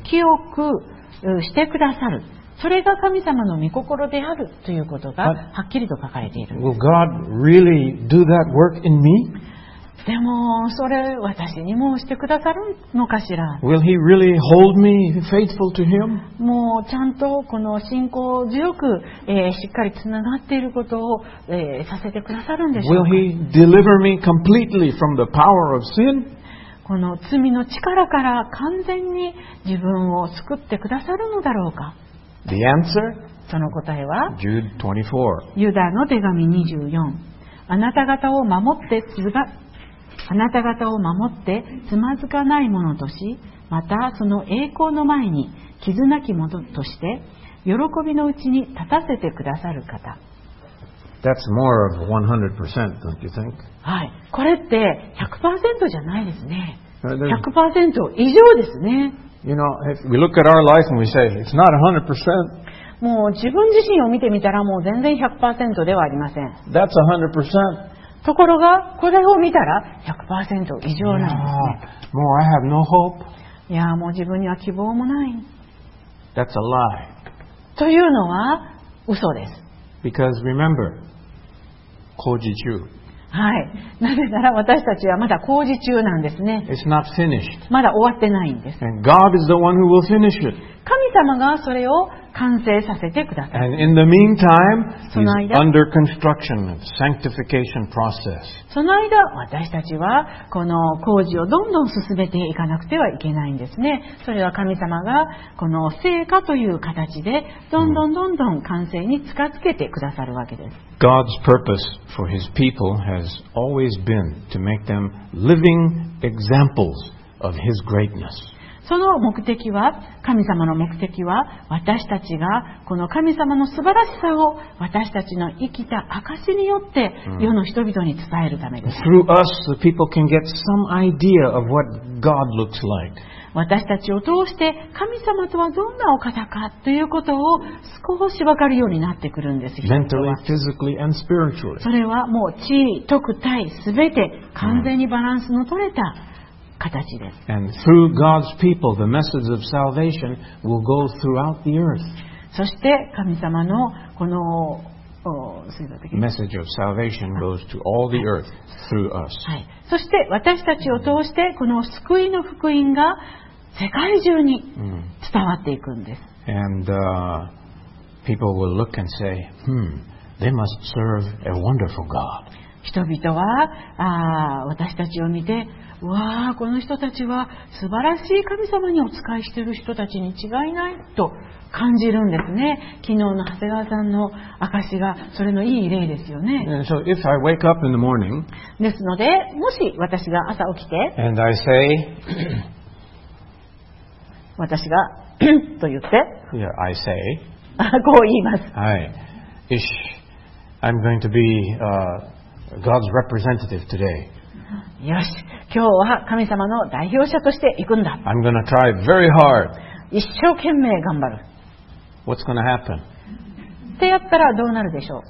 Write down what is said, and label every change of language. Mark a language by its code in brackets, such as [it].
[ja] 清くしてくださる、それが神様の御心であるということがはっきりと書かれている。 [en] Will God really do that work in me? [ja] でもそれ私にもしてくださるのかしら。 [en] Will he really hold me faithful to him? [ja] もうちゃんとこの信仰強く、しっかりつながっていることを、させてくださるんでしょうか。 [en] Will he deliver me completely from the power of sin? [ja] この罪の力から完全に自分を救ってくださるのだろうか。 [en] The answer? [ja] その答えは [en] Jude 24. [ja] ユダの手紙24。あなた方を守ってあなた方を守ってつまずかないものとし、またその栄光の前に傷なきものとして喜びのうちに立たせてくださる方。 [en] That's more of 100%, don't you think? [ja] はい、これって 100% じゃないですね。 100% 以上ですね。 [en] You know, if we look at our life and we say, it's not 100%. [ja] もう自分自身を見てみたらもう全然 100% ではありません。 [en] That's 100%. [ja] ところがこれを見たら 100% 以上なんですね。 [en] Yeah, もう I have no hope. [ja] いや、もう自分には希望もない。 [en] That's a lie. [ja] というのは嘘です。 [en] Because remember, [ja] 工事中。はい。なぜなら私たちはまだ工事中なんですね。 [en] It's not finished. [ja] まだ終わってないんです。 [en] And God is the one who will finish it. [ja] 神様がそれを完成させてください。 [en] And in the meantime, He's under construction and sanctification process. [ja] その間、私たちはこの工事をどんどん進めていかなくてはいけないんですね。それは神様がこの成果という形でどんどんどんどん完成に近づけてくださるわけです。 [en] God's purpose for His people has always been to make them living examples of His greatness. [ja] その目的は、神様の目的は、私たちがこの神様の素晴らしさを私たちの生きた証によって世の人々に伝えるためです。 [en] Through us, the people can get some idea of what God looks like. [ja] 私たちを通して神様とはどんなお方かということを少し分かるようになってくるんです。 [en] Mentally, physically, and spiritually. [ja] それはもう地位、徳、体、すべて完全にバランスの取れた形です。 [en] And through God's people, the message of salvation will go throughout the earth. [ja] そして神様のこの [en] message of salvation goes to all the earth through us. [ja] はい。そして私たちを通してこの救いの福音が世界中に伝わっていくんです。 [en] And people will look and say, they must serve a wonderful God. [ja] 人々は私たちを見て、わあ、この人たちは素晴らしい神様にお仕えしている人たちに違いないと感じるんですね。昨日の長谷川さんの証がそれのいい例ですよね。 [en] So if I wake up in the morning, [ja] ですのでもし私が朝起きて [en] and I say, [ja] 私がと言って [en] yeah, I say, [ja] こう言います、 [en] はい、Ish, I'm going to be God's representative today. [ja] よし、今日は神様の代表者として行くんだ。 [en] I'm gonna try very hard. [ja] 一生懸命頑張る。 [en] What's gonna happen? [ja] ってやったらどうなるでしょう。